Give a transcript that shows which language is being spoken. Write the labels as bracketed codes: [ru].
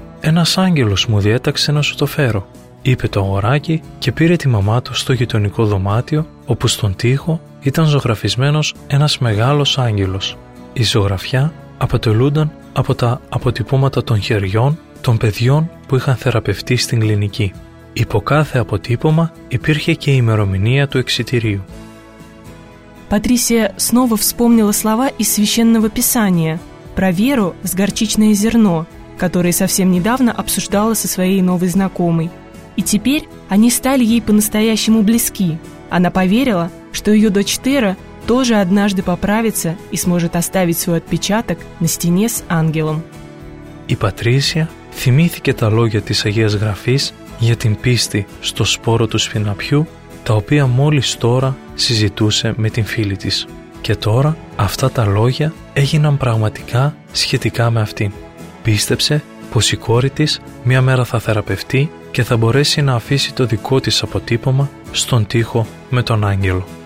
[el] «Ένας άγγελος μου διέταξε να σου το φέρω», είπε το αγοράκι και πήρε τη μαμά του στο γειτονικό δωμάτιο, όπου στον τοίχο ήταν ζωγραφισμένος ένας μεγάλος άγγελος. Η ζωγραφιά αποτελούνταν από τα αποτυπώματα των χεριών των παιδιών που είχαν θεραπευτεί στην κλινική. Υπό κάθε αποτύπωμα υπήρχε και η ημερομηνία του εξιτηρίου. [ru] Патрисия снова вспомнила слова из Священного Писания про веру в горчичное зерно, которое совсем недавно обсуждала со своей новой знакомой. И теперь они стали ей по-настоящему близки. Она поверила, что ее дочь Тера тоже однажды поправится и сможет оставить свой отпечаток на стене с ангелом. [el] И Патрисия θυμήθηκε τα λόγια της Αγίας Γραφής για την πίστη στο σπόρο του σφιναπιού, τα οποία μόλις τώρα συζητούσε με την φίλη της. Και τώρα αυτά τα λόγια έγιναν πραγματικά σχετικά με αυτήν. Πίστεψε πως η κόρη της μια μέρα θα θεραπευτεί και θα μπορέσει να αφήσει το δικό της αποτύπωμα στον τοίχο με τον άγγελο.